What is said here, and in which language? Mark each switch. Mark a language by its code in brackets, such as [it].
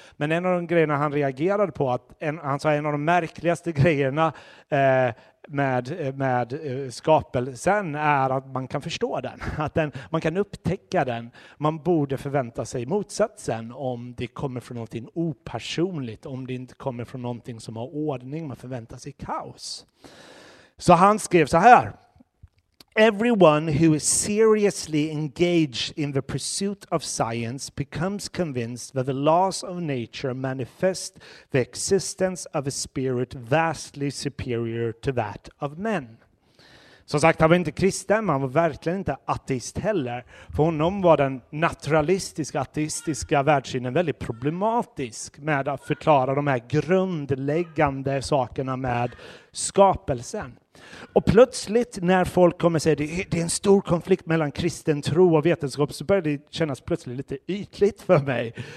[sv] Men en av de grejerna han reagerade på, han sa en av de märkligaste grejerna med skapelsen är att man kan förstå den, att man kan upptäcka den. Man borde förvänta sig motsatsen om det kommer från någonting opersonligt, om det inte kommer från någonting som har ordning. Man förväntar sig kaos. Så han skrev så här: [en] Everyone who is seriously engaged in the pursuit of science becomes convinced that the laws of nature manifest the existence of a spirit vastly superior to that of men. [sv] Som sagt, han var inte kristen, han var verkligen inte ateist heller. För honom var den naturalistiska, ateistiska världssynen väldigt problematisk med att förklara de här grundläggande sakerna med skapelsen. Och plötsligt när folk kommer och säger att det är en stor konflikt mellan kristen tro och vetenskap, så börjar det kännas plötsligt lite ytligt för mig.